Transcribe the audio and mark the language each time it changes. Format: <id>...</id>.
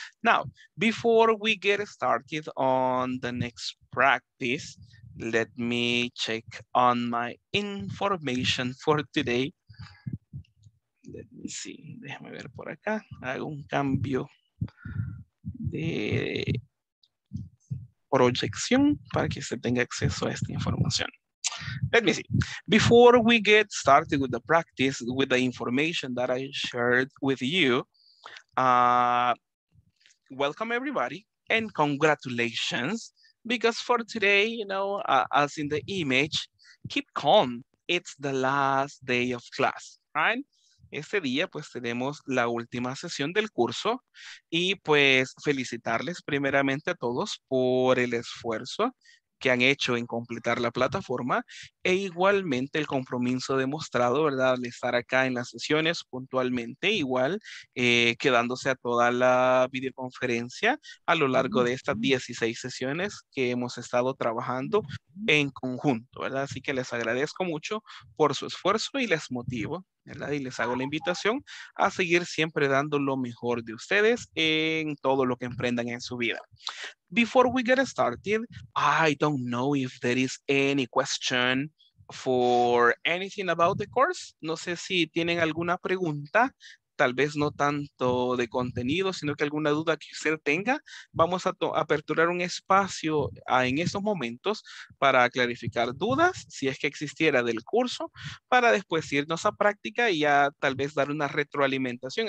<en>Now, before we get started on the next practice, let me check on my information for today. Let me see,</en> <es>déjame ver por acá, hago un cambio de proyección para que se tenga acceso a esta información.</es> <en>Let me see, before we get started with the practice, with the information that I shared with you, welcome everybody and congratulations, because for today, you know, as in the image, keep calm, it's the last day of class, right?</en> <es>Este día, pues, tenemos la última sesión del curso y, pues, felicitarles primeramente a todos por el esfuerzo que han hecho en completar la plataforma e igualmente el compromiso demostrado, ¿verdad?, al estar acá en las sesiones puntualmente, igual quedándose a toda la videoconferencia a lo largo de estas 16 sesiones que hemos estado trabajando en conjunto, ¿verdad? Así que les agradezco mucho por su esfuerzo y les motivo, ¿verdad? Y les hago la invitación a seguir siempre dando lo mejor de ustedes en todo lo que emprendan en su vida.</es> <en>Before we get started, I don't know if there is any question for anything about the course.</en> <es>No sé si tienen alguna pregunta, tal vez no tanto de contenido, sino que alguna duda que usted tenga. Vamos a aperturar un espacio en estos momentos para clarificar dudas, si es que existiera del curso, para después irnos a práctica y ya tal vez dar una retroalimentación.</es>